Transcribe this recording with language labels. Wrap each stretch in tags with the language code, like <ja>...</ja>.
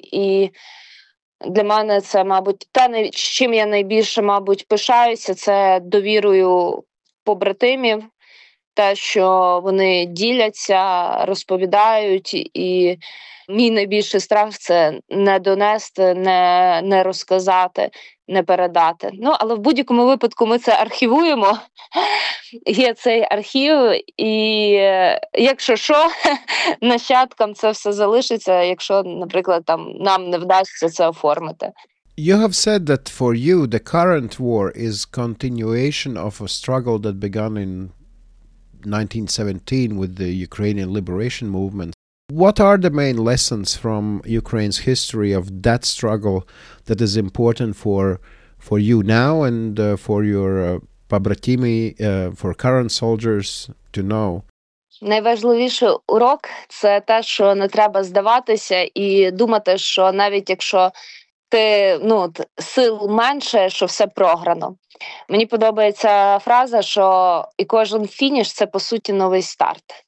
<uk>І для мене це, мабуть, те, з чим я найбільше, мабуть, пишаюся, це довірою побратимів, те, що вони діляться, розповідають, і мій найбільший страх – це не донести, не розказати, не передати. Але в будь-якому випадку ми це архівуємо, є цей архів, і якщо що, нащадкам це все залишиться, якщо, наприклад, там нам не вдасться це оформити.</uk> <en>You have said that for you the current war is continuation of a struggle that began in 1917 with the Ukrainian liberation movement. What are the main lessons from Ukraine's history of that struggle that is important for you now and for your побратими, for current soldiers to know?</en> <uk>Найважливіший урок – це те, що не треба здаватися і думати, що навіть якщо ти сил менше, що все програно. Мені подобається фраза, що і кожен фініш – це, по суті, новий старт.</uk>